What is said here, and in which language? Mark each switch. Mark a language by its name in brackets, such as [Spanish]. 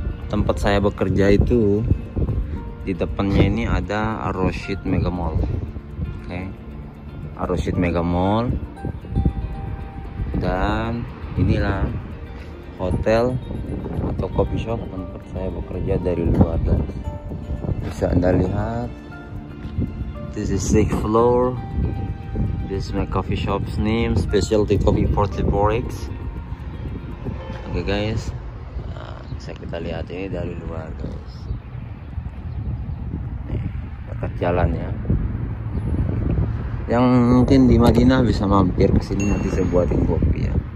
[Indonesian] Tempat saya bekerja itu di depannya ini ada Ar-Rasyid Mega Mall. Oke. Okay. Ar-Rasyid Mega Mall. Dan inilah hotel atau coffee shop tempat saya bekerja dari luar, guys. Bisa Anda lihat, [English] this is sixth floor. This is my coffee shop's name, specialty coffee Portiborix. Okay, guys. [Indonesian] Bisa kita lihat ini dari luar, guys. Nih, dekat jalan ya. Yang mungkin di Madinah bisa mampir ke sini, nanti saya buatin kopi ya.